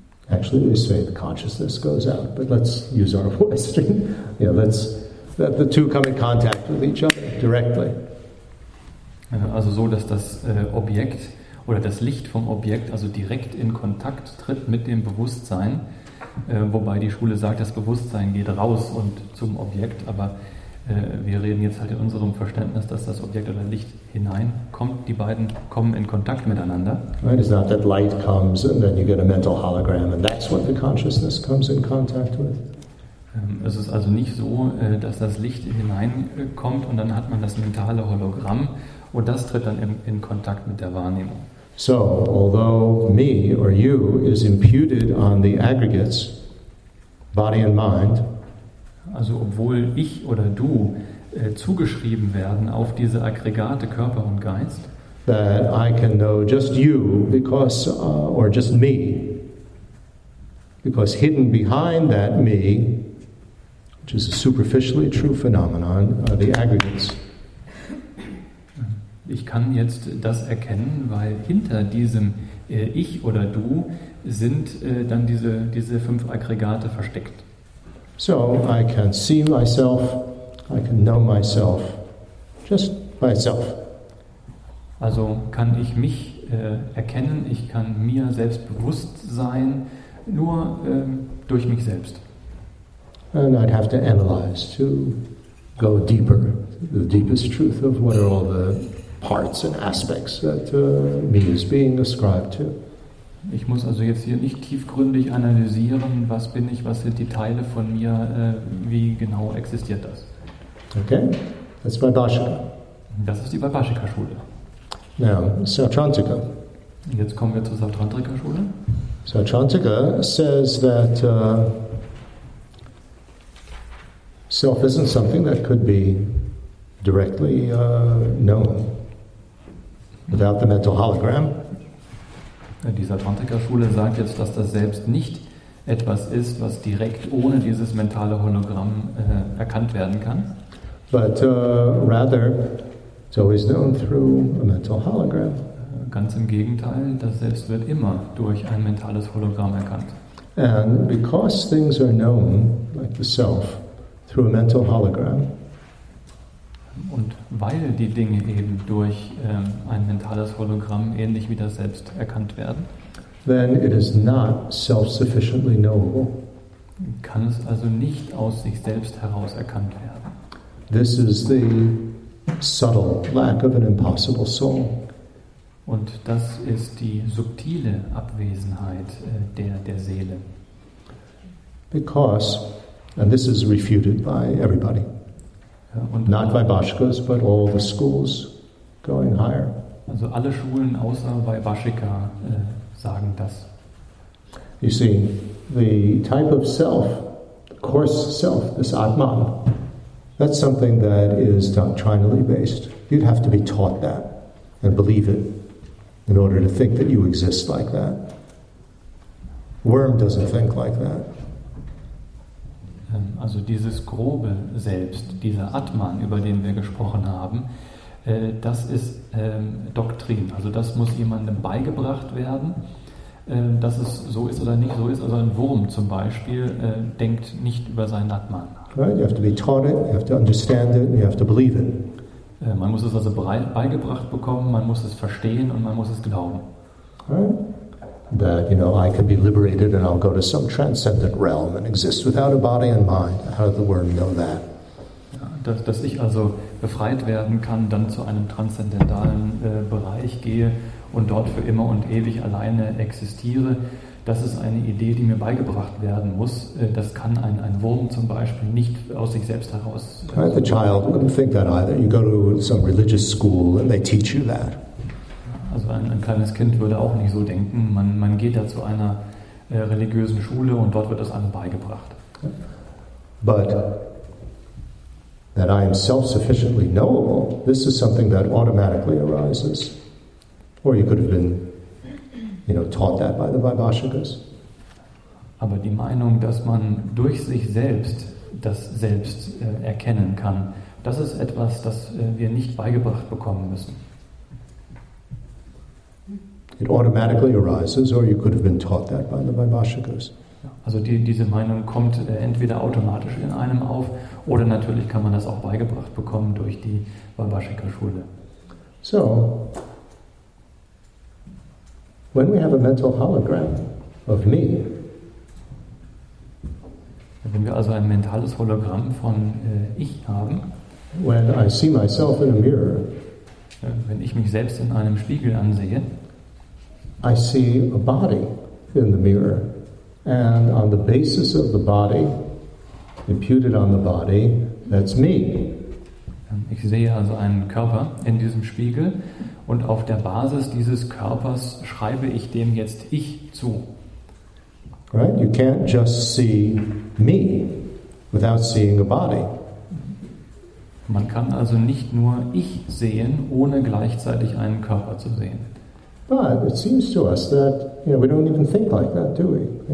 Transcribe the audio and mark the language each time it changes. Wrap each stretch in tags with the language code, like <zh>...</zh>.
<en>Actually, we say the consciousness goes out, but let's use our Western. Yeah, let's that the two come in contact with each other directly.</en> <de>Also so, dass das Objekt oder das Licht vom Objekt also direkt in Kontakt tritt mit dem Bewusstsein, wobei die Schule sagt, das Bewusstsein geht raus und zum Objekt, aber wir reden jetzt halt in unserem Verständnis, dass das Objekt oder Licht hineinkommt. Die beiden kommen in Kontakt miteinander.</de> <en>Right, it's not that light comes and then you get a mental hologram and that's what the consciousness comes in contact with.</en> <de>Es ist also nicht so, dass das Licht hineinkommt und dann hat man das mentale Hologramm und das tritt dann in Kontakt mit der Wahrnehmung.</de> <en>So, although me or you is imputed on the aggregates, body and mind,</en> <de>also obwohl ich oder du zugeschrieben werden auf diese Aggregate Körper und Geist,</de> <en>that I can know just you because, or just me, because hidden behind that me, which is a superficially true phenomenon, are the aggregates.</en> <de>Ich kann jetzt das erkennen, weil hinter diesem Ich oder Du sind dann diese fünf Aggregate versteckt.</de> <en>So, I can see myself, I can know myself, just myself.</en> <de>Also kann ich mich erkennen, ich kann mir selbst bewusst sein, nur durch mich selbst.</de> <en>And I'd have to analyze to go deeper, the deepest truth of what are all the parts and aspects that me is being ascribed to.</en> <de>Ich muss also jetzt hier nicht tiefgründig analysieren, was bin ich, was sind die Teile von mir, wie genau existiert das.</de> <en>Okay, that's Vaibhashika.</en> <de>Das ist die Vaibhashika-Schule.</de> <en>Now, Satrantika.</en> <de>Jetzt kommen wir zur Satrantika-Schule.</de> <en>Satrantika says that self isn't something that could be directly known. Without the mental hologram.</en> <de>Die Satrantika-Schule sagt jetzt, dass das Selbst nicht etwas ist, was direkt ohne dieses mentale Hologramm erkannt werden kann.</de> <en>But rather, it's always known through a mental hologram.</en> <de>Ganz im Gegenteil, das Selbst wird immer durch ein mentales Hologramm erkannt.</de> <en>And because things are known, like the self, through a mental hologram,</en> <de>und weil die Dinge eben durch ein mentales Hologramm ähnlich wie das Selbst erkannt werden,</de> <en>then it is not self-sufficiently knowable.</en> <de>Kann es also nicht aus sich selbst heraus erkannt werden.</de> <en>This is the subtle lack of an impossible soul.</en> <de>Und das ist die subtile Abwesenheit der Seele.</de> <en>Because, and this is refuted by everybody,</en> <de>und</de> <en>not Vaibhashikas, but all the schools going higher.</en> <de>Also alle Schulen außer Vaibhashika sagen das.</de> <en>You see, the type of self, the coarse self, this Atman, that's something that is doctrinally based. You'd have to be taught that and believe it in order to think that you exist like that. Worm doesn't think like that.</en> <de>Also dieses grobe Selbst, dieser Atman, über den wir gesprochen haben, das ist Doktrin. Also das muss jemandem beigebracht werden, dass es so ist oder nicht so ist. Also ein Wurm zum Beispiel denkt nicht über seinen Atman nach.</de> <en>Right, you have to be taught it, you have to understand it, you have to believe it.</en> <de>Man muss es also beigebracht bekommen, man muss es verstehen und man muss es glauben.</de> <en>Right. That, you know, I can be liberated and I'll go to some transcendent realm and exist without a body and mind. How does the worm know that?</en> <de>Ja, dass ich also befreit werden kann, dann zu einem transzendentalen Bereich gehe und dort für immer und ewig alleine existiere, das ist eine Idee, die mir beigebracht werden muss. Das kann ein Wurm zum Beispiel nicht aus sich selbst heraus.</de> <en>Right, the child wouldn't think that either. You go to some religious school and they teach you that.</en> <de>Also ein kleines Kind würde auch nicht so denken. Man geht da zu einer religiösen Schule und dort wird das einem beigebracht.</de> <en>But that I am self-sufficiently knowable, this is something that automatically arises. Or you could have been, you know, taught that by the Vaibhashikas.</en> <de>Aber die Meinung, dass man durch sich selbst das Selbst erkennen kann, das ist etwas, das wir nicht beigebracht bekommen müssen.</de> <en>It automatically arises, or you could have been taught that by the Vaibhashikas.</en> <de>Also diese Meinung kommt entweder automatisch in einem auf Oder natürlich kann man das auch beigebracht bekommen durch die Vaibhashika-Schule.</de> <en>So, when we have a mental hologram of me,</en> <de>wenn wir also ein mentales Hologramm von ich haben,</de> <en>when I see myself in a mirror,</en> <de>wenn ich mich selbst in einem Spiegel ansehe,</de> <en>I see a body in the mirror, and on the basis of the body, imputed on the body, that's me.</en> <de>Ich sehe also einen Körper in diesem Spiegel, und auf der Basis dieses Körpers schreibe ich dem jetzt ich zu.</de> <en>Right? You can't just see me without seeing a body.</en> <de>Man kann also nicht nur ich sehen, ohne gleichzeitig einen Körper zu sehen.</de> <en>But it seems to us that, you know, we don't even think like that, do we?</en>